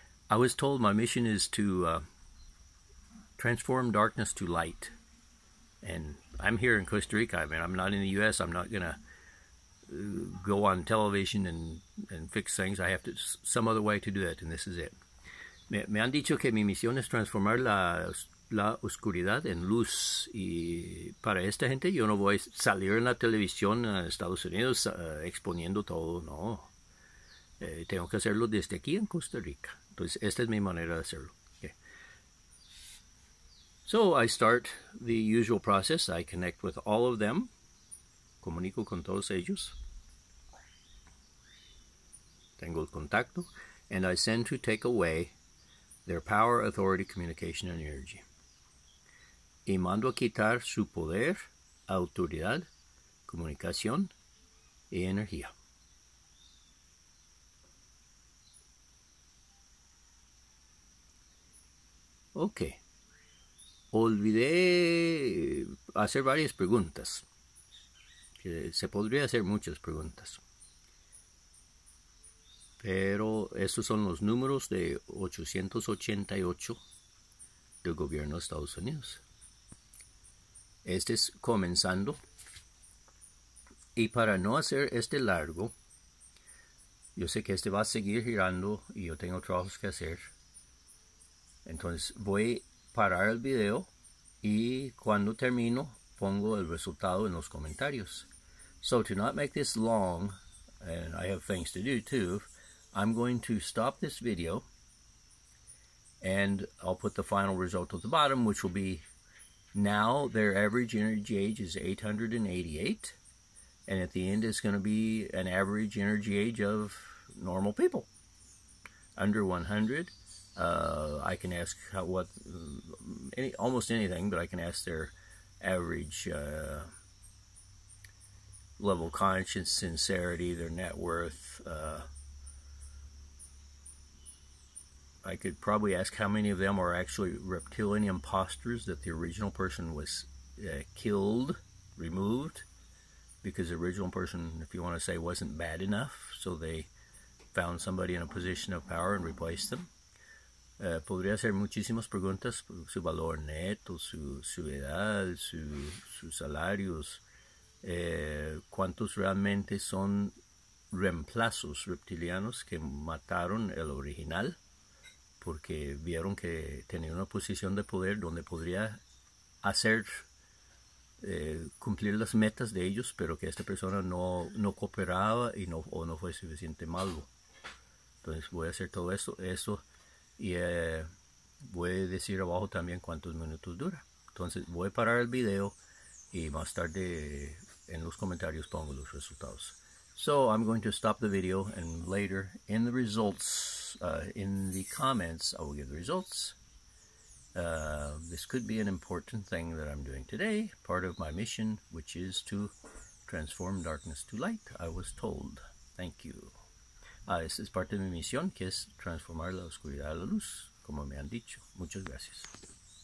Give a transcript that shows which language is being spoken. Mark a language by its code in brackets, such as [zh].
[en] I was told my mission is to transform darkness to light. And I'm here in Costa Rica. I mean, I'm not in the U.S. I'm not going to go on television and fix things. I have to some other way to do that, and this is it. [es] Me han dicho que mi misión es transformar la oscuridad en luz. Y para esta gente, yo no voy a salir en la televisión en Estados Unidos exponiendo todo, no. Tengo que hacerlo desde aquí en Costa Rica. Entonces, esta es mi manera de hacerlo. Okay. [en] So, I start the usual process. I connect with all of them. [es] Comunico con todos ellos. Tengo el contacto. [en] And I send to take away their power, authority, communication, and energy. [es] Y mando a quitar su poder, autoridad, comunicación, y energía. Okay. Olvidé hacer varias preguntas. Se podría hacer muchas preguntas. Pero estos son los números de 888 del gobierno de Estados Unidos. Este es comenzando. Y para no hacer este largo, yo sé que este va a seguir girando y yo tengo trabajos que hacer. Entonces voy a parar el video y cuando termino pongo el resultado en los comentarios. [en] So to not make this long, and I have things to do too, I'm going to stop this video and I'll put the final result at the bottom, which will be now their average energy age is 888, and at the end it's going to be an average energy age of normal people, under 100. I can ask almost anything, but I can ask their average level of conscience, sincerity, their net worth. I could probably ask how many of them are actually reptilian imposters, that the original person was killed, removed, because the original person, if you want to say, wasn't bad enough, so they found somebody in a position of power and replaced them. [es] Podría hacer muchísimas preguntas, su valor neto, su edad, sus salarios, cuántos realmente son reemplazos reptilianos que mataron el original porque vieron que tenía una posición de poder donde podría hacer cumplir las metas de ellos, pero que esta persona no cooperaba y no, o no fue suficiente malo. Entonces voy a hacer todo eso y voy a decir abajo también cuántos minutos dura. Entonces voy a parar el video y más tarde en los comentarios pongo los resultados. [en] So I'm going to stop the video and later in the results, in the comments, I will give the results. This could be an important thing that I'm doing today, part of my mission, which is to transform darkness to light, I was told. Thank you. [es] Esa es parte de mi misión, que es transformar la oscuridad a la luz, como me han dicho. Muchas gracias.